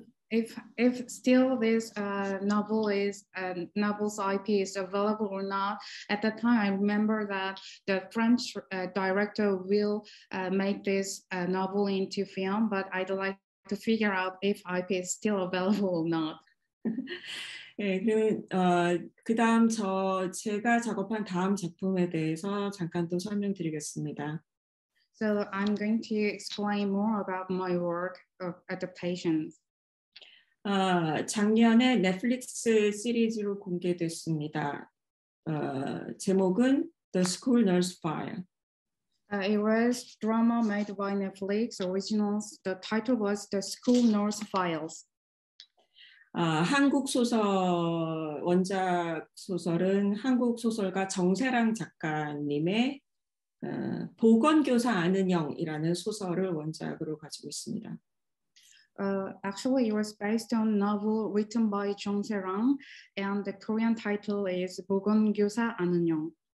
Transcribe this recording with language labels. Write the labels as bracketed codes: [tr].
[en] If still this novel's IP is available or not, at that time I remember that the French director will make this novel into film, but I'd like to figure out if IP is still available or not. [ko] 예, 그다음 제가 작업한 다음 작품에 대해서 잠깐 또 설명드리겠습니다. [en] So I'm going to explain more about my work of adaptations. [ko] 작년에 넷플릭스 시리즈로 공개됐습니다. 제목은 The School Nurse Fire. [en] It was drama made by Netflix originals. The title was The School Nurse Files. [ko] 한국 소설 원작 소설은 한국 소설가 정세랑 작가님의 보건 교사 안은영이라는 소설을 원작으로 가지고 있습니다. [en] Actually, it was based on novel written by 정세랑, and the Korean title is 보건 교사 안은영.